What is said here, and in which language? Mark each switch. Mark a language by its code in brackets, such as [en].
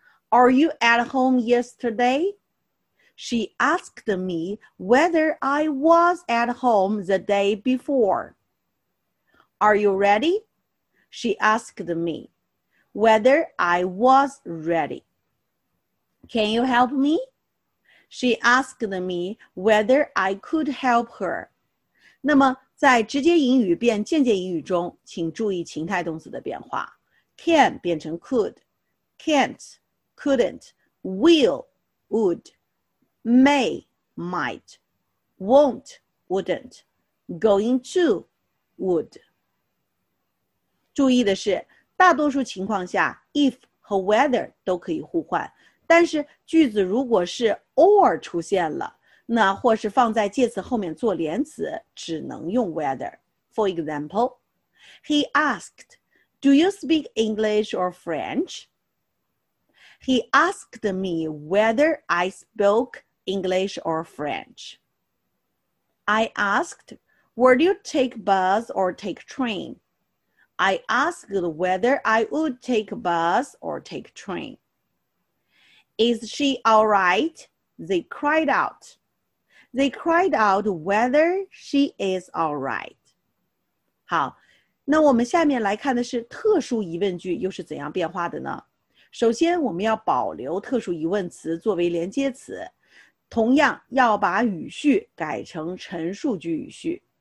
[en] Are you at home yesterday? She asked me whether I was at home the day before. Are you ready? She asked me whether I was ready. Can you help me? She asked me whether I could help her. [zh] 那么在直接引语变间接引语中，请注意情态动词的变化。 [en] Can [zh] 变成 [en] could, can't, couldn't, will, would, may, might, won't, wouldn't, going to, would. [zh] 注意的是，大多数情况下 if 和 whether 都可以互换，但是句子如果是 or 出现了，那或是放在介词后面做连词，只能用 whether。 [en] For example, He asked, Do you speak English or French? He asked me whether I spoke English or French. I asked, Would you take bus or take train? I asked whether I would take a bus or take a train. Is she all right? They cried out. They cried out whether she is all right. [zh] 好，那我们下面来看的是特殊疑问句又是怎样变化的呢？首先，我们要保留特殊疑问词作为连接词，同样要把语序改成陈述句语序。